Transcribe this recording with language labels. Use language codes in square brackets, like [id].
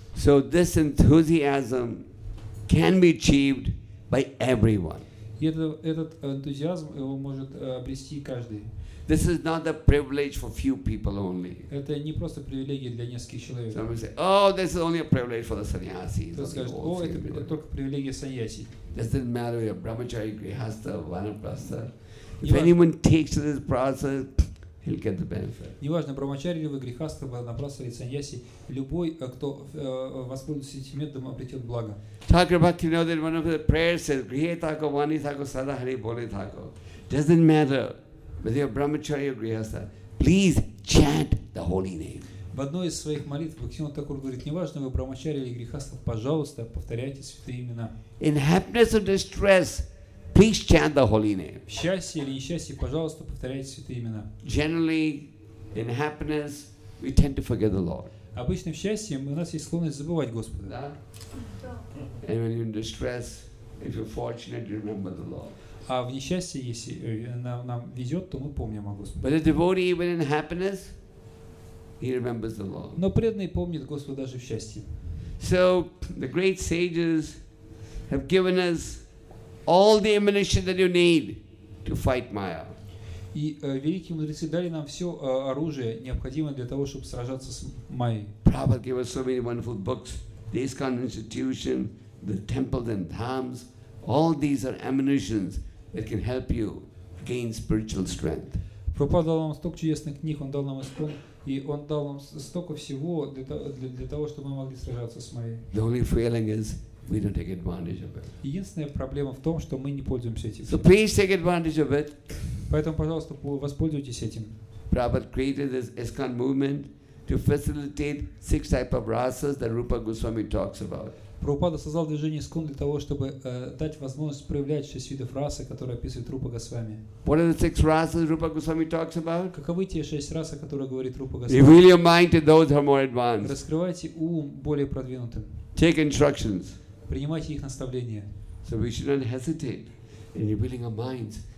[en] So this enthusiasm can be achieved by everyone. [ru] И этот энтузиазм его может обрести каждый. [en] This is not a privilege for few people only. [ru] Это не просто привилегия для нескольких человек. [en] Some say, "Oh, this is only a privilege for the sannyasis." [ru] Кто-то скажет, "О, это только привилегия саньяси." [en] Doesn't matter if you're brahmachari, grihastha, vanaprastha. If anyone takes to this process, he'll get the benefit. [ru] Неважно, брахмачари ли вы, грихастха, ванапрастха или саньяси, любой, кто воспользуется этим методом, обретет благо. [en] Thakur Bhakti knows that one of the prayers says, [bn] Grihe thako, vani thako, sada hari bole thako. [en] Doesn't matter whether you're brahmachari or grihastha, please chant the holy name. [ru] В одной из своих молитв Бхактивинода Такур говорит, неважно, вы брахмачари или грихастха, пожалуйста, повторяйте святые имена. [en] In happiness or distress, please chant the holy name. [ru] В счастье или несчастье, пожалуйста, повторяйте святые имена. [en] Generally, in happiness, we tend to forget the Lord. [ru] Обычно в счастье у нас есть склонность забывать Господа. Да? [en] And when you're in distress, if you're fortunate, you remember the Lord. [ru] А в несчастье, если нам везет, то мы помним о Господе. [en] But a devotee, even in happiness, he remembers the Lord. [ru] Но преданный помнит Господа даже в счастье. [en] So the great sages have given us all the ammunition that you need to fight Maya. [ru] И великие мудрецы дали нам все оружие, необходимое для того, чтобы сражаться с Майей. [en] Prabhupada gave us so many wonderful books, the ISKCON Institution, the temples and dhams. All these are ammunitions that can help you gain spiritual strength. [ru] Prabhupada дал нам столько чудесных книг, он дал нам ISKCON, и он дал нам столько всего для того, чтобы мы могли сражаться с Майей. [en] The only failing is we don't take advantage of it. [ru] Единственная проблема в том, что мы не пользуемся этим. [en] So please take advantage of it. [ru] Поэтому, пожалуйста, воспользуйтесь этим. [en] Prabhupada created this ISKCON movement to facilitate six type of rasas that Rupa Goswami talks about. [ru] Prabhupada создал движение ISKCON для того, чтобы дать возможность проявлять шесть видов расы, которые описывает Рупа Госвами. [en] What are the six rasas Rupa Goswami talks about? [ru] Каковы те шесть рас, о которых говорит Рупа Госвами? [en] Reveal your mind to those who are more advanced. [ru] Раскрывайте ум более продвинутым. [en] Take instructions. [ru] Принимайте их наставления. [en] So we should not hesitate in revealing our minds